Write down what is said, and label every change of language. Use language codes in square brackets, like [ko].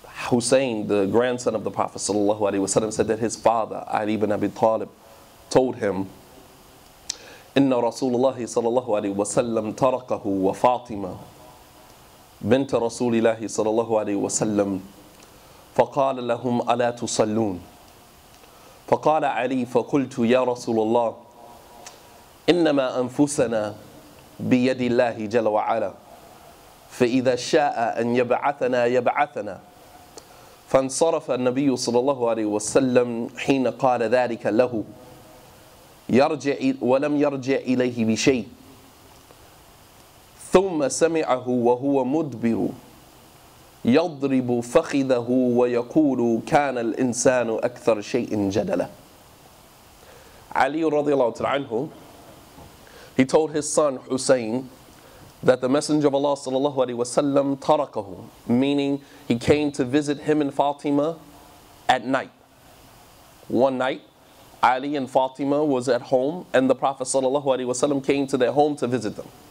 [en] Hussein, the grandson of the Prophet sallallahu alaihi wasallam, said that his father Ali ibn Abi Talib told him, [ar] "Inna Rasulullah sallallahu alaihi wasallam tarakahu wa Fatima bint Rasulillah sallallahu alaihi wasallam, faqala lahum ala tusallun? Faqala Ali, faqultu ya Rasulullah, innama anfusana biyadillahi jalla wa ala, فإذا شاء أن يبعثنا يبعثنا." فانصرف النبي صلى الله عليه وسلم حين قال ذلك له يرجع ولم يرجع إليه بشيء ثم سمعه وهو مدبر يضرب فخذه ويقول كان الإنسان أكثر شيء جدلا. علي رضي الله عنه, [en] he told his son Hussein that the Messenger of Allah sallallahu alayhi wasallam tarakahu, meaning he came to visit him and Fatima at night. One night, Ali and Fatima was at home, and the Prophet sallallahu alayhi wasallam came to their home to visit them.